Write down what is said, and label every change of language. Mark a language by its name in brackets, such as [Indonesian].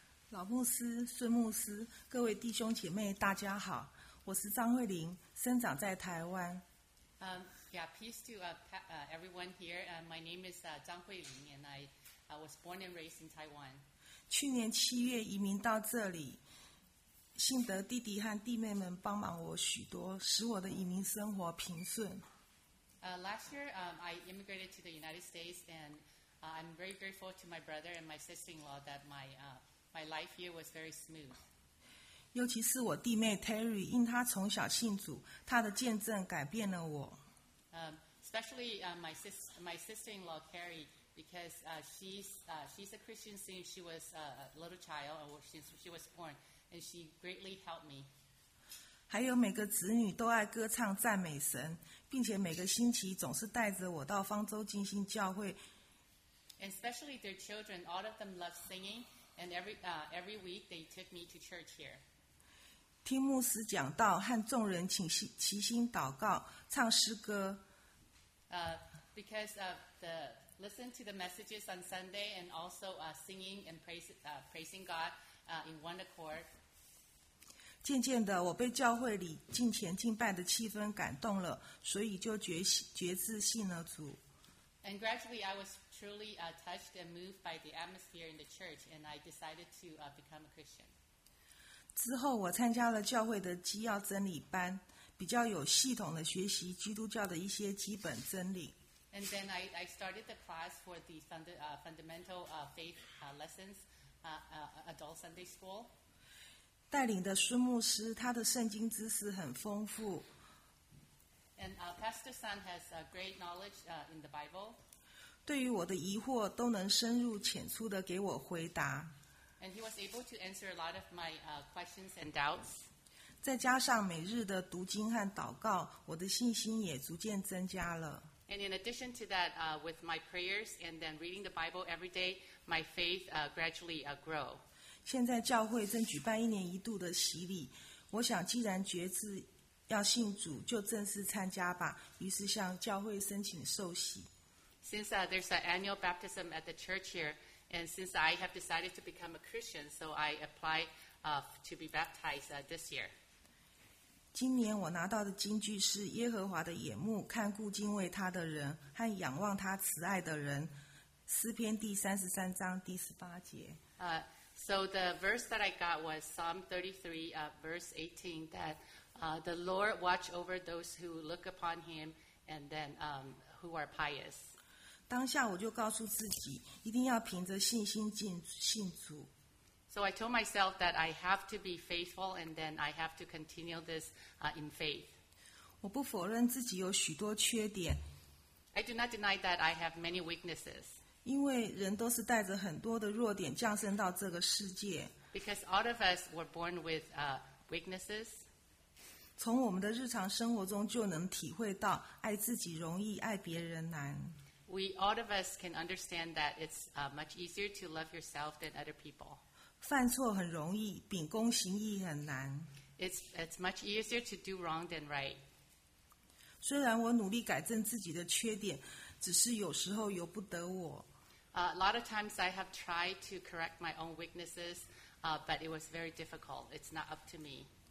[Chinese] 老牧师、孙牧师，各位弟兄姐妹，大家好。我是张慧玲，生长在台湾。 [English] Peace to everyone here. My name is 张慧玲 and I was born and raised in Taiwan. [Chinese] 去年七月移民到这里，幸得弟弟和弟妹们帮忙我许多，使我的移民生活平顺。 [English] Last year, I immigrated to the United States, and I'm very grateful to my brother and my sister-in-law that my life here was very smooth. [Chinese] 尤其是我弟妹 Terry， 因她从小信主，她的见证改变了我。 [English] Especially my sister-in-law Terry, because she's a Christian since she was a little child, or since she was born, and she greatly helped me. [Chinese] 还有每个子女都爱歌唱赞美神，并且每个星期总是带着我到方舟金星教会。 [English] And especially their children, all of them love singing, and every week they took me to church here. [Chinese] 听牧师讲道，和众人齐心祷告，唱诗歌。 [English] Because of the listen to the messages on Sunday and also singing and praising God in one accord. [Chinese] 渐渐的，我被教会里敬虔敬拜的气氛感动了，所以就决志信了主。 [English] And gradually, I was truly touched and moved by the atmosphere in the church, and I decided to become a Christian. [Chinese] 之后我参加了教会的基要真理班，比较有系统的学习基督教的一些基本真理。 [English] And then I started the class for the fundamental faith lessons, adult Sunday school. [Chinese] 带领的孙牧师，他的圣经知识很丰富。 [English] And Pastor Sun has a great knowledge in the Bible. [Chinese] 对于我的疑惑都能深入浅出的给我回答。 [English] And he was able to answer a lot of my questions and doubts. [Chinese] 再加上每日的读经和祷告，我的信心也逐渐增加了。 [English] And in addition to that, with my prayers and then reading the Bible every day, my faith gradually grow. [Chinese] 现在教会正举办一年一度的洗礼，我想既然决志要信主，就正式参加吧。于是向教会申请受洗。 [English] Since there's an annual baptism at the church here. And since I have decided to become a Christian, so I apply to be baptized this year. [Chinese] 今年我拿到的金句是耶和华的眼目看顾敬畏他的人和仰望他慈爱的人，诗篇第33章第18节。 [English] So the verse that I got was Psalm 33, verse 18, that the Lord watch over those who look upon him and then who are pious. [Chinese] 当下我就告诉自己，一定要凭着信心信主。 [English] So I told myself that I have to be faithful, and then I have to continue this in faith. [Chinese] 我不否认自己有许多缺点。 [English] I do not deny that I have many weaknesses. [Chinese] 因为人都是带着很多的弱点降生到这个世界。 [English] Because all of us were born with weaknesses. [Chinese] 从我们的日常生活中就能体会到，爱自己容易，爱别人难。 [English] We all of us can understand that it's much easier to love yourself than other people. [Chinese] 犯错很容易，秉公行义很难。 [English] It's much easier to do wrong than right. [Chinese] 虽然我努力改正自己的缺点，只是有时候由不得我。 [English] A lot of times I have tried to correct my own weaknesses, but it was very difficult. It's not up to me.